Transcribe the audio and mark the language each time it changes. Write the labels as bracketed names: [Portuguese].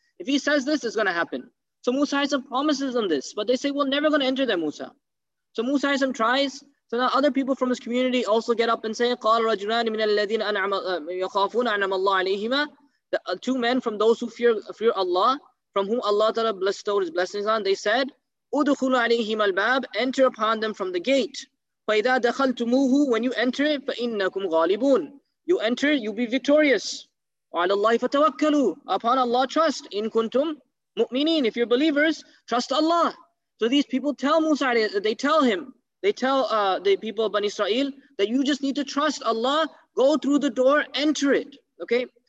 [English] If he says this, it's going to happen. So Musa Aysam promises them this, but they say, we're never going to enter there, Musa. So Musa Aysam tries. So now other people from his community also get up and say, [Arabic] قال رجلان من الذين يخافون أنعم الله عليهما, [English] two men from those who fear Allah, from whom Allah Ta'ala bestowed his blessings on, they said, [Arabic] أدخل عليهم الباب, [English] enter upon them from the gate. [Arabic] فإذا دخلتموه, [English] when you enter, [Arabic] فإنكم غالبون. [English] You enter, you'll be victorious. [Arabic] وعلى الله فتوكلوا, [English] upon Allah trust. [Arabic] إن كنتم مؤمنين, [English] if you're believers, trust Allah. So these people tell Musa, they tell him, they tell the people of Bani Israel that you just need to trust Allah, go through the door, enter it. Okay?